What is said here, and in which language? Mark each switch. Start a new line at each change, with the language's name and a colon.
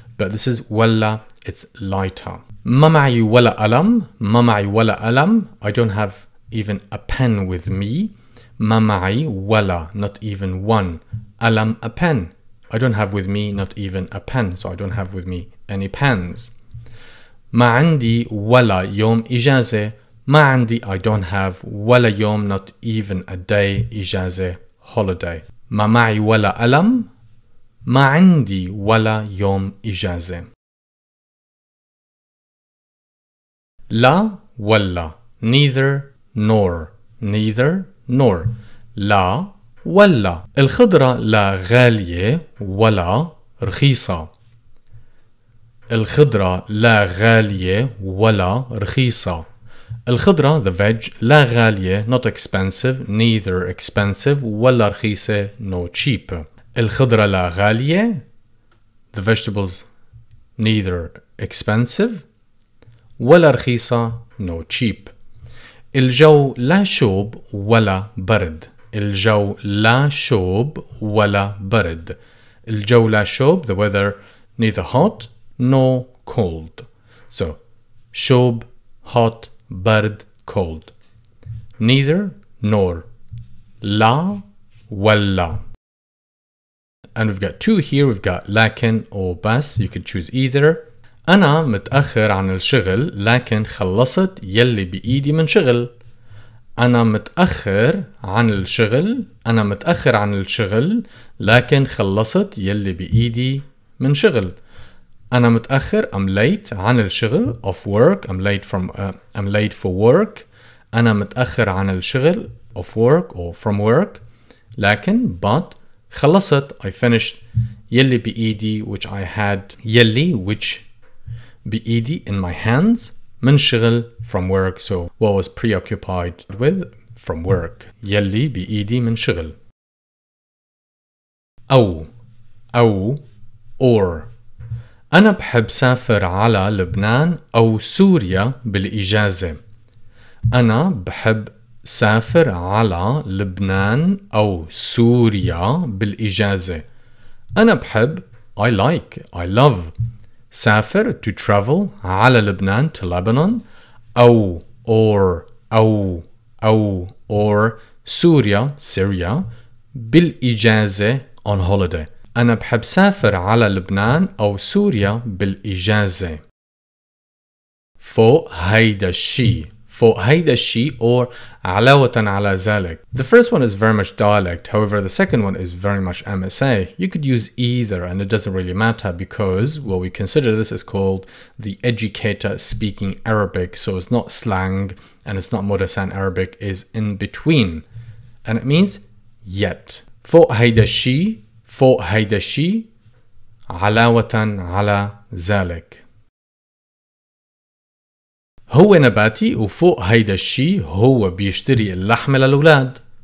English: But this is walla, it's lighter.
Arabic: ما معي ولا ألم, ما معي ولا ألم,
English: I don't have even a pen with me.
Arabic: ما معي ولا,
English: not even one. ألم, a pen. I don't have with me not even a pen, so I don't have with me any pens.
Arabic: ما عندي ولا يوم إجازة, ما عندي,
English: I don't have,
Arabic: ولا يوم,
English: not even a day,
Arabic: إجازة, holiday. ما معي ولا ألم, ما عندي ولا يوم إجازة. لا ولا,
English: neither nor, neither nor.
Arabic: لا ولا, الخضرة لا غالية ولا رخيصة. الخضرة لا غالية ولا رخيصة.
English: الخضرة, the veg,
Arabic: لا غالية,
English: not expensive, neither expensive,
Arabic: ولا رخيصة,
English: no cheap.
Arabic: الخضرة لا غالية,
English: the vegetables, neither expensive,
Arabic: ولا رخيصة,
English: no cheap.
Arabic: الجو لا شوب ولا برد. الجو لا شوب ولا برد. الجو لا شوب,
English: the weather, neither hot nor cold. So, شوب, hot, برد, cold. Neither, nor.
Arabic: لا, ولا.
English: And we've got two here. We've got لكن or بس. You could choose either.
Arabic: أنا متأخر عن الشغل لكن خلصت يلي بإيدي من شغل. أنا متأخر عن الشغل. أنا متأخر عن الشغل لكن خلصت يلي بإيدي من شغل. أنا متأخر.
English: I'm late
Arabic: عن الشغل.
English: Of work. I'm late from. I'm late for work.
Arabic: أنا متأخر عن الشغل.
English: Of work or from work.
Arabic: لكن but خلصت.
English: I finished
Arabic: يلي بإيدي
English: which I had يلي which بإيدي in my hands.
Arabic: من شغل
English: from work. So what was preoccupied with from work.
Arabic: يلي بإيدي من شغل. أو or. أنا بحب سافر على لبنان أو سوريا بالإجازة. أنا بحب سافر على لبنان أو سوريا بالإجازة. أنا بحب
English: I like I love سافر to travel
Arabic: على لبنان
English: to Lebanon أو or أو or سوريا Syria بالإجازة on holiday.
Arabic: أنا بحب سافر على لبنان أو سوريا بالإجازة. فوق هيدا الشي. فوق هيدا الشي or علاوة على ذلك.
English: The first one is very much dialect. However, the second one is very much MSA. You could use either and it doesn't really matter because what we consider this is called the educator speaking Arabic. So it's not slang and it's not modern Arabic. It's in between. And it means yet.
Arabic: فوق هيدا الشي. فوق هيدا الشي علاوة على ذلك. هو نباتي وفوق هيدا الشي هو بيشتري اللحم للأولاد.